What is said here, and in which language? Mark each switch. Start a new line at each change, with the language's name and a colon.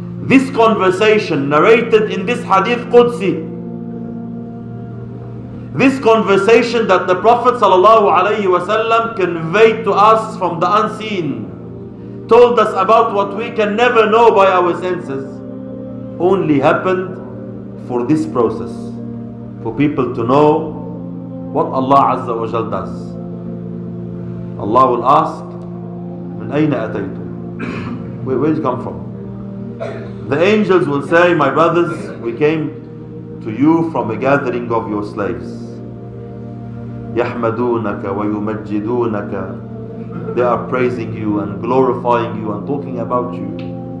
English: This conversation narrated in this hadith Qudsi, this conversation that the Prophet ﷺ conveyed to us from the unseen, told us about what we can never know by our senses, only happened for this process, for people to know what Allah Azza wa Jal does. Allah will ask,
Arabic: من أين أتيتم?
English: Where did you come from? The angels will say, my brothers, we came to you from a gathering of your slaves.
Arabic: يحمدونك ويمجدونك.
English: They are praising you and glorifying you and talking about you.